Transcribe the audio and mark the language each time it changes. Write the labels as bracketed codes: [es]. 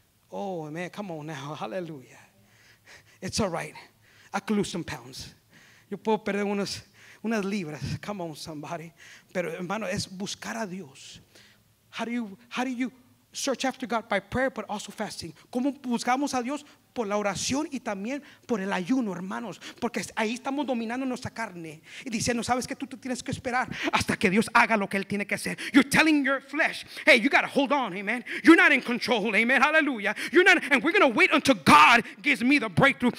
[en] Oh, man, come on now. Hallelujah. It's all right. I could lose some pounds. [es] Yo puedo perder unas libras. [en] Come on, somebody. [es] Pero, hermano, es buscar a Dios. [en] How do you search after God by prayer, but also fasting? [es] ¿Cómo buscamos a Dios? Por la oración y también por el ayuno, hermanos. Porque ahí estamos dominando nuestra carne. Y diciendo, sabes que tú te tienes que esperar hasta que Dios haga lo que Él tiene que hacer. [en] You're telling your flesh, hey, you got to hold on, amen. You're not in control, amen, hallelujah. You're not, and we're going to wait until God gives me the breakthrough.